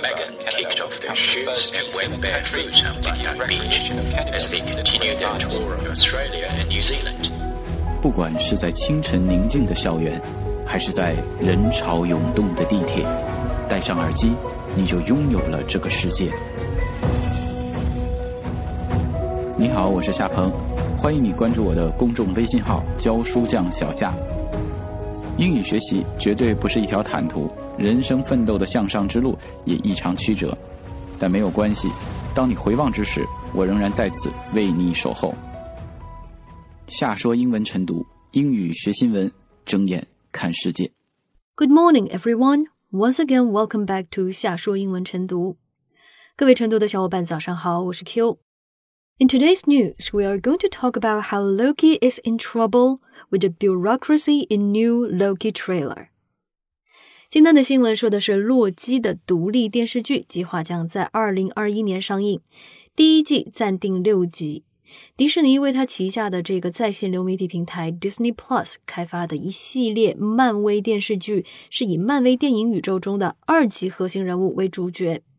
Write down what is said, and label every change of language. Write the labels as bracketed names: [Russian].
[English] Megan kicked off their shoes and went barefoot on Bondi Beach as they continued their tour of Australia and New Zealand. [Chinese] 不管是在清晨宁静的校园，还是在人潮涌动的地铁，戴上耳机，你就拥有了这个世界。你好，我是夏鹏，欢迎你关注我的公众微信号教书匠小夏。英语学习绝对不是一条坦途，人生奋斗的向上之路也异常曲折，但没有关系，当你回望之时，我仍然在此为你守候。夏说英文晨读，英语学新闻，睁眼看世界。 [English] Good morning everyone, once again welcome back to 夏说英文晨读。 [Chinese] 各位晨读的小伙伴早上好，我是 Q。 [English] In today's news, we are going to talk about how Loki is in trouble with the bureaucracy in new Loki trailer. [Chinese] 今天的新闻说的是洛基的独立电视剧计划将在2021年上映，第一季暂定六集，迪士尼为他旗下的这个在线流媒体平台 Disney Plus 开发的一系列漫威电视剧是以漫威电影宇宙中的二级核心人物为主角。